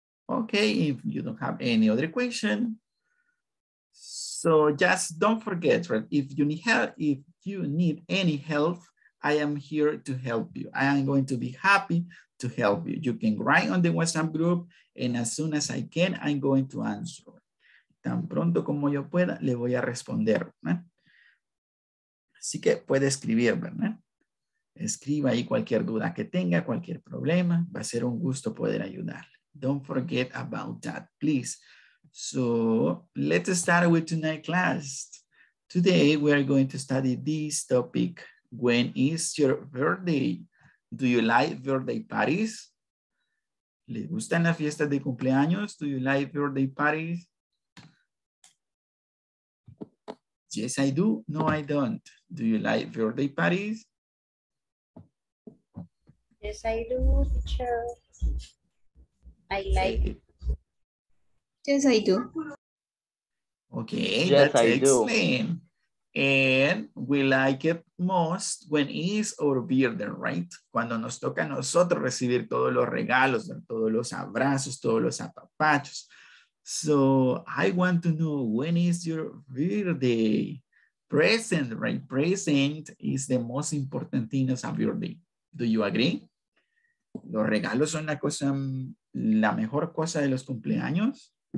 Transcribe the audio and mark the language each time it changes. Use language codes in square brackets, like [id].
[en] Okay, if you don't have any other question, so just don't forget, right? If you need any help, I am here to help you. I am going to be happy to help you. You can write on the WhatsApp group, and as soon as I can, I'm going to answer. [es] Tan pronto como yo pueda, le voy a responder, ¿verdad? Así que puede escribir, ¿verdad? Escriba ahí cualquier duda que tenga, cualquier problema. Va a ser un gusto poder ayudarle. [en] Don't forget about that, please. So let's start with tonight's class. Today we are going to study this topic. When is your birthday? Do you like birthday parties? [es] ¿Le gustan las fiestas de cumpleaños? [en] Do you like birthday parties? Yes, I do. No, I don't. Do you like birthday parties? Yes, I do, teacher. I like it. Yes, I do. Okay, yes, that's excellent. And we like it most when it's our birthday, right? [es] Cuando nos toca a nosotros recibir todos los regalos, todos los abrazos, todos los apapachos. [en] So I want to know, when is your birthday? Present, right? Present is the most important thing of a birthday. Do you agree? [es] Los regalos son la mejor cosa de los cumpleaños.